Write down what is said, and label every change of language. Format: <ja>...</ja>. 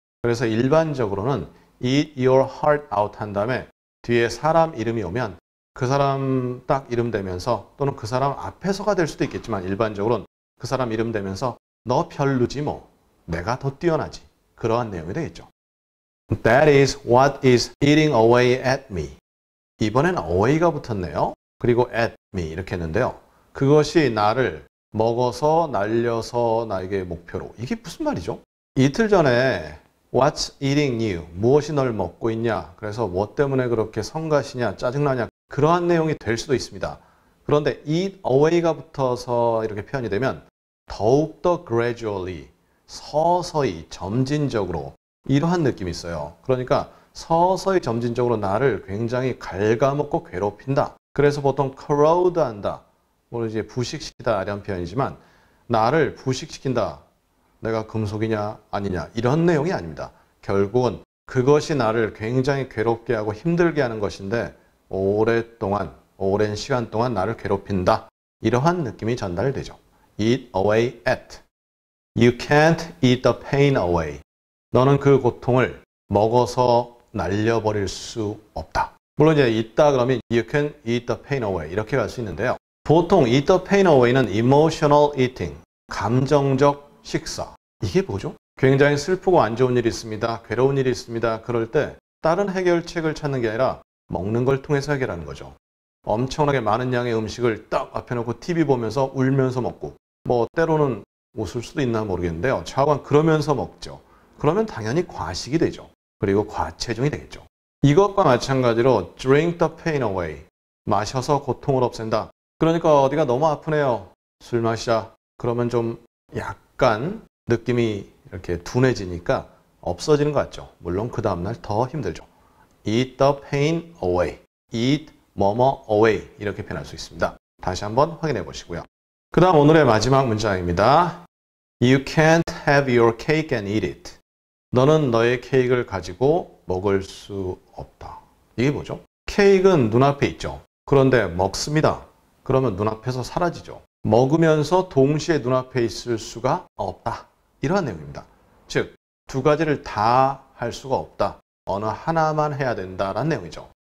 <ko>그래서 일반적으로는</ko> <en>eat your heart out</en> <ko>한 다음에 뒤에 사람 이름이 오면 그 사람 딱 이름 되면서 또는 그 사람 앞에서가 될 수도 있겠지만 일반적으로는 그 사람 이름 되면서 너 별로지 뭐 내가 더 뛰어나지 그러한 내용이 되겠죠.</ko> <en>That is what is eating away at me.</en> <ko>이번엔 away가 붙었네요. 그리고</ko> <en>at me</en> <ko>이렇게 했는데요. 그것이 나를 먹어서 날려서 나에게 목표로. 이게 무슨 말이죠? 이틀 전에</ko> <en>What's eating you?</en> <ko>무엇이 널 먹고 있냐? 그래서 뭐 때문에 그렇게 성가시냐? 짜증나냐? 그러한 내용이 될 수도 있습니다. 그런데 eat away가 붙어서 이렇게 표현이 되면 더욱더 gradually, 서서히, 점진적으로 이러한 느낌이 있어요. 그러니까 서서히 점진적으로 나를 굉장히 갉아먹고 괴롭힌다. 그래서 보통 crowd한다, 뭐 이제 부식시키다 이런 표현이지만 나를 부식시킨다, 내가 금속이냐 아니냐 이런 내용이 아닙니다. 결국은 그것이 나를 굉장히 괴롭게 하고 힘들게 하는 것인데 오랫동안, 오랜 시간 동안 나를 괴롭힌다. 이러한 느낌이 전달되죠.</ko> <en>Eat away at. You can't eat the pain away.</en> <ko>너는 그 고통을 먹어서 날려버릴 수 없다. 물론 이제 있다 그러면</ko> <en>you can eat the pain away</en> <ko>이렇게 갈 수 있는데요. 보통</ko> <en>eat the pain away</en> <ko>는</ko> <en>emotional eating,</en> <ko>감정적 식사. 이게 뭐죠? 굉장히 슬프고 안 좋은 일이 있습니다. 괴로운 일이 있습니다. 그럴 때 다른 해결책을 찾는 게 아니라 먹는 걸 통해서 해결하는 거죠. 엄청나게 많은 양의 음식을 딱 앞에 놓고 TV 보면서 울면서 먹고 뭐 때로는 웃을 수도 있나 모르겠는데요. 좌우간 그러면서 먹죠. 그러면 당연히 과식이 되죠. 그리고 과체중이 되겠죠. 이것과 마찬가지로</ko> <en>drink the pain away.</en> <ko>마셔서 고통을 없앤다. 그러니까 어디가 너무 아프네요. 술 마시자. 그러면 좀 약간 느낌이 이렇게 둔해지니까 없어지는 것 같죠. 물론 그 다음날 더 힘들죠.</ko> <en>Eat the pain away. Eat 뭐뭐 away.</en> <ko>이렇게 표현할 수 있습니다. 다시 한번 확인해 보시고요. 그 다음 오늘의 마지막 문장입니다.</ko> <en>You can't have your cake and eat it.</en> <ko>너는 너의 케이크를 가지고 먹을 수 없다. 이게 뭐죠? 케이크는 눈앞에 있죠. 그런데 먹습니다. 그러면 눈앞에서 사라지죠. 먹으면서 동시에 눈앞에 있을 수가 없다. 이러한 내용입니다. 즉, 두 가지를 다 할 수가 없다. 어느 하나만 해야 된다라는 내용이죠.</ko>